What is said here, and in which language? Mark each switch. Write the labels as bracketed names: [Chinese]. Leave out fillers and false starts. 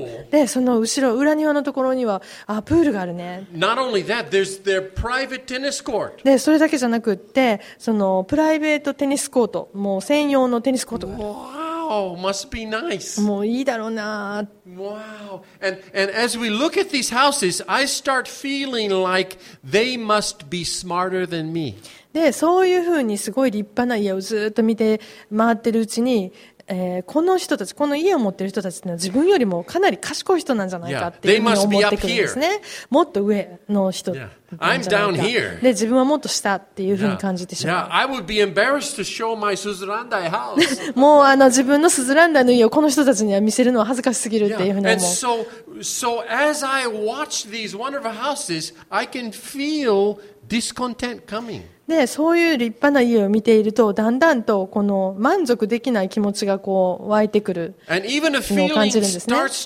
[Japanese] でその後ろ裏庭のところにはあプールがあるね。 [English] Not only that, there's their private tennis court. [Japanese] でそれだけじゃなくってそのプライベートテニスコート、もう専用のテニスコートがある。 [English] Oh, must be nice. [Japanese] もういいだろうな。 [English] Wow. And as we look at these houses, I start feeling like they must be smarter than me. [Japanese] で、そういうふうにすごい立派な家をずっと見て回ってるうちに、この人たち、この家を持っている人たちというのは自分よりもかなり賢い人なんじゃないかっていうふうに思ってくるんですね。もっと上の人なんじゃないか。 [English] Yeah. [Japanese] で、自分はもっと下っていうふうに感じてしまう。 [English] Yeah. I would be embarrassed to show my Suzuranda house. [Japanese] もう自分のスズランダイの家をこの人たちには見せるのは恥ずかしすぎるっていうふうに思う。 [English] And so as I watch these wonderful houses, I can feel discontent coming. [Japanese] で、そういう立派な家を見ていると、だんだんとこの満足できない気持ちがこう湧いてくるのを感じるんですね。